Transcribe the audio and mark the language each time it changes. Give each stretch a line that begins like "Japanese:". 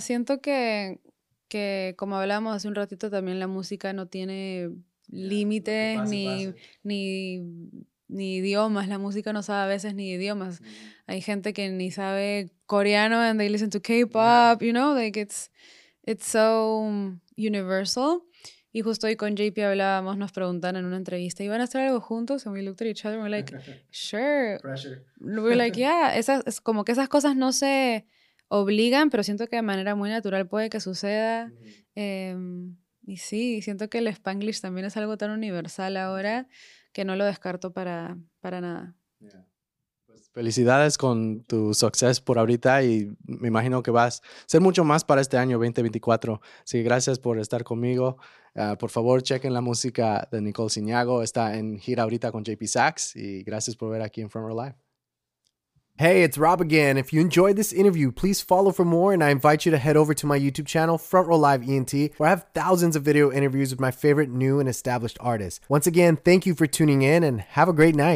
Spanish: Siento que como hablábamos hace un ratito, también la música no tiene límites ni idiomas, la música no sabe a veces ni idiomas. Hay gente que ni sabe coreano
English: and they listen to K-pop, you know, like it's so universal.
Spanish: Y justo hoy con JP hablábamos, nos preguntan en una entrevista, ¿iban a hacer algo juntos?
English: And we looked at each other and we're like, sure. Pressure. We're like, yeah,
Spanish: esas, es como que esas cosas no se obligan, pero siento que de manera muy natural puede que suceda. Y sí, siento que el Spanglish también es algo tan universal ahora que no lo descarto para nada. Pues felicidades con tu success por ahorita y me imagino que vas a ser mucho más para este año 2024. Así que gracias por estar conmigo. Por favor, chequen la música de Nicole Zignago. Está en gira ahorita con JP Saxe y gracias por ver aquí en From Her Life.
English: Hey, it's Rob again. If you enjoyed this interview, please follow for more, and I invite you to head over to my YouTube channel, Front Row Live ENT, where I have thousands of video interviews with my favorite new and established artists. Once again, thank you for tuning in, and have a great night.